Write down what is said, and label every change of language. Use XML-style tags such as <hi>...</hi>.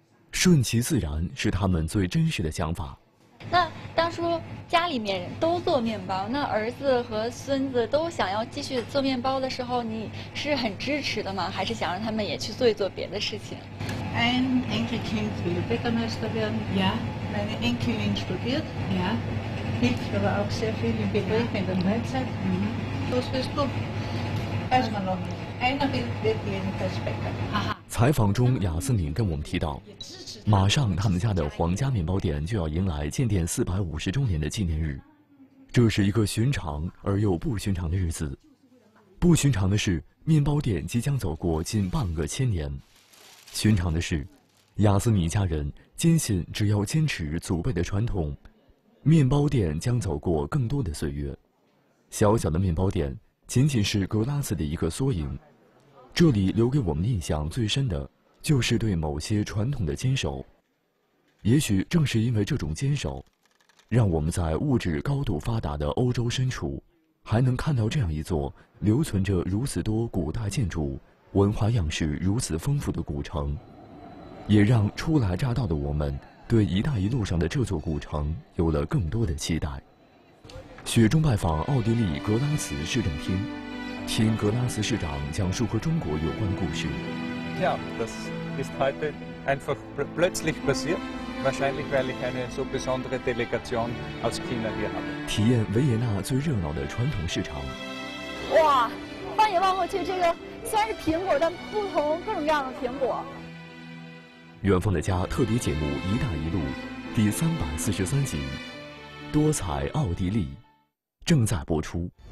<zh>顺其自然是他们最真实的想法。那当初家里面人都做面包，那儿子和孙子都想要继续做面包的时候，你是很支持的吗？还是想让他们也去做一做别的事情</zh> <de>？Ein Enkelkind will Bäckermeister werden. Ja. Meine Enkelin studiert. Ja. Hilft aber auch sehr viel im Betrieb in der Mahlzeit. Was willst du? Erstmal noch. Einer will wirklich ein Bäcker. Aha.</de> <zh>采访中，雅斯敏跟我们提到，马上他们家的皇家面包店就要迎来建店450周年的纪念日，这是一个寻常而又不寻常的日子。不寻常的是，面包店即将走过近半个千年；寻常的是，雅斯敏家人坚信，只要坚持祖辈的传统，面包店将走过更多的岁月。小小的面包店仅仅是格拉斯的一个缩影，这里留给我们印象最深的就是对某些传统的坚守。也许正是因为这种坚守，让我们在物质高度发达的欧洲深处还能看到这样一座留存着如此多古代建筑、文化样式如此丰富的古城，也让初来乍到的我们对一带一路上的这座古城有了更多的期待。雪中拜访奥地利格拉茨市政厅，听格拉茨市长讲述和中国有关的故事。</zh> <de>Ja, das ist heute einfach plötzlich passiert. Wahrscheinlich, weil ich eine so besondere Delegation aus China hier habe.</de> <zh>体验维也纳最热闹的传统市场。哇，放眼望过去，这个虽然是苹果，但不同各种各样的苹果。远方的家特别节目《一带一路》第343集，多彩奥地利正在播出。</zh>